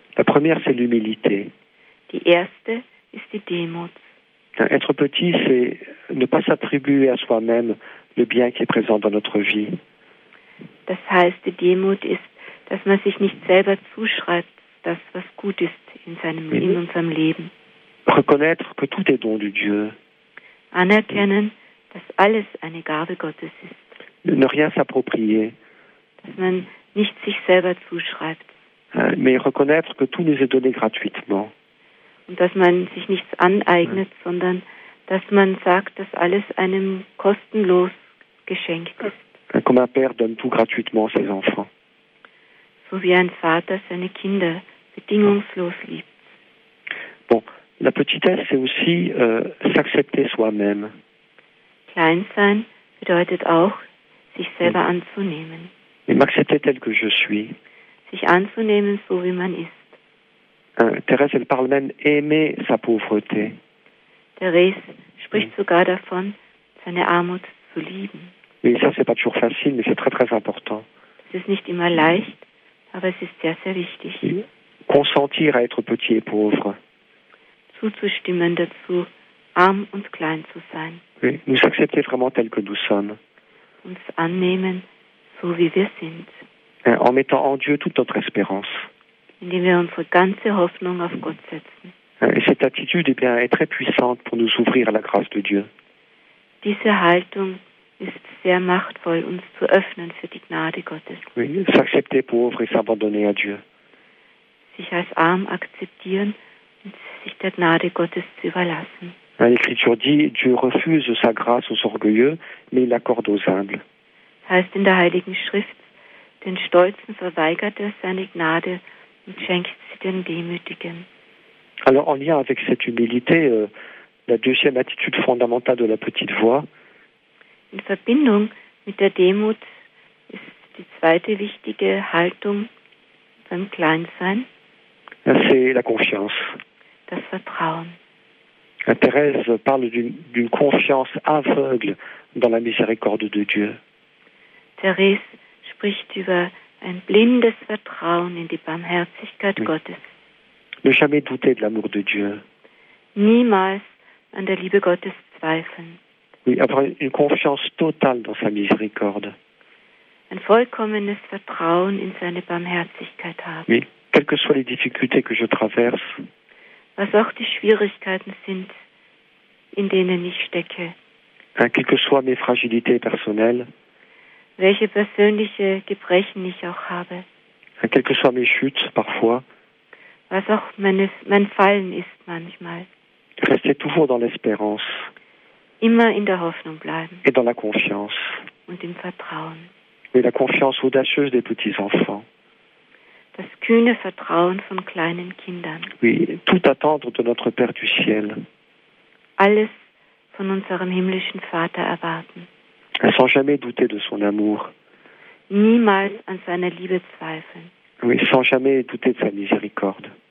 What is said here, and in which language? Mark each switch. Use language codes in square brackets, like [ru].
[fr] La première, c'est l'humilité. [de] Die erste ist die Demut. [fr] Être petit, c'est ne pas s'attribuer à soi-même le bien qui est présent dans notre vie. [de] Das heißt, die Demut ist, dass man sich nicht selber zuschreibt, das, was gut ist in unserem Leben. [fr] Reconnaître que tout est don de Dieu. [de] Anerkennen, dass alles eine Gabe Gottes ist. [fr] Ne rien s'approprier. [de] Dass man nicht sich selber zuschreibt. [fr] Mais reconnaître que tout nous est donné gratuitement. [de] Und dass man sich nichts aneignet, sondern dass man sagt, dass alles einem kostenlos geschenkt ist. [fr] Comme un père donne tout gratuitement à ses enfants. [de] So wie ein Vater seine Kinder bedingungslos liebt. [fr] Bon, la petitesse, c'est aussi s'accepter soi-même. [de] Kleinsein bedeutet auch, sich selber anzunehmen. [fr] Et m'accepter tel que je suis. [de] Sich anzunehmen, so wie man ist. [fr] Thérèse, elle parle même aimer sa pauvreté. [de] Thérèse spricht sogar davon, seine Armut zu lieben. [fr] Oui, ça, c'est pas toujours facile, mais c'est très, très important. [de] Das ist nicht immer leicht, aber es ist sehr, sehr wichtig. [fr] Consentir à être petit et pauvre. [de] Zuzustimmen dazu, arm und klein zu sein. [fr] Oui, nous accepter vraiment tel que nous sommes. [de] Uns annehmen, so wie wir sind. [fr] En mettant en Dieu toute notre espérance. [de] Indem wir unsere ganze Hoffnung auf Gott setzen. [fr] Cette attitude eh bien, est très puissante pour nous ouvrir à la grâce de Dieu. [de] Diese Haltung ist sehr machtvoll, uns zu öffnen für die Gnade Gottes. [fr] Oui, s'accepter pauvre et s'abandonner à Dieu. [de] Sich als arm akzeptieren und sich der Gnade Gottes zu überlassen. [fr] L'Écriture dit, Dieu refuse sa grâce aux orgueilleux, mais il accorde aux humbles. [de] Das heißt in der Heiligen Schrift, den Stolzen verweigert seine Gnade und schenkt sie den Demütigen. [fr] Alors, en lien avec cette humilité, la deuxième attitude fondamentale de la petite voix. [de] In Verbindung mit der Demut ist die zweite wichtige Haltung beim Kleinsein. [fr] C'est la confiance. [de] Das Vertrauen. [fr] Thérèse parle d'une confiance aveugle dans la miséricorde de Dieu. [de] Thérèse spricht über ein blindes Vertrauen in die Barmherzigkeit Gottes. [fr] Ne jamais douter de l'amour de Dieu. [de] Niemals an der Liebe Gottes zweifeln. [fr] Oui, avoir une confiance totale dans sa miséricorde. [de] Ein vollkommenes Vertrauen in seine Barmherzigkeit haben. [fr] Oui, quelles que soient les difficultés que je traverse. [de] Was auch die Schwierigkeiten sind, in denen ich stecke. [fr] Quelles que soient mes fragilités personnelles. [de] Welche persönliche Gebrechen ich auch habe. [fr] Quelles que soient mes chutes parfois. [de] Was auch mein Fallen ist manchmal. [fr] Restez toujours dans l'espérance. [de] Immer in der Hoffnung bleiben. [fr] Et dans la confiance. [de] Und im Vertrauen. [fr] Et la confiance audacieuse des petits enfants. [de] Das kühne Vertrauen von kleinen Kindern. [fr] Oui, tout attendre de notre Père du Ciel. [de] Alles von unserem himmlischen Vater erwarten. [fr] Sans jamais douter de son amour. [de] niemals an seiner Liebe zweifeln. [fr] Oui, sans jamais douter de sa miséricorde.